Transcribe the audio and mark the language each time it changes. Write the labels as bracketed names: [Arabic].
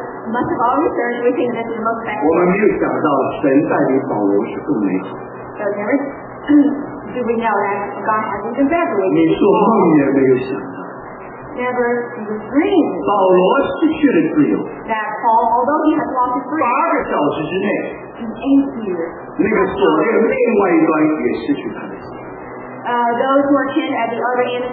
[English] Much of our research, we think that it looks better. [Chinese] 我们没有想到神带领保罗是更美好。你做梦也没有想到。 [English] Never in the dream. [Chinese] 保罗失去了自由。 [English] That Paul, although he has lost his freedom, [Chinese] 8个小时之内 [English] in 8 years, [Chinese] 那个锁链另外一端也失去他的。 [English] Those who are chained at the other end of